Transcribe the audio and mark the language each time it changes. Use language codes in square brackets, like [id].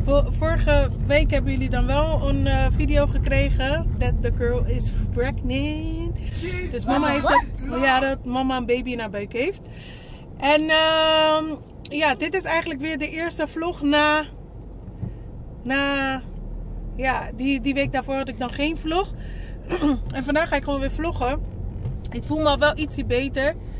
[nl] Vorige week hebben jullie dan wel een video gekregen. [en] That the girl is pregnant. Jeez, [nl] dus mama heeft [en] what? [nl] Ja, dat mama een baby in haar buik heeft. En ja, dit is eigenlijk weer de eerste vlog na ja, die week daarvoor had ik dan geen vlog. En vandaag ga ik gewoon weer vloggen. Ik voel me al wel ietsje beter.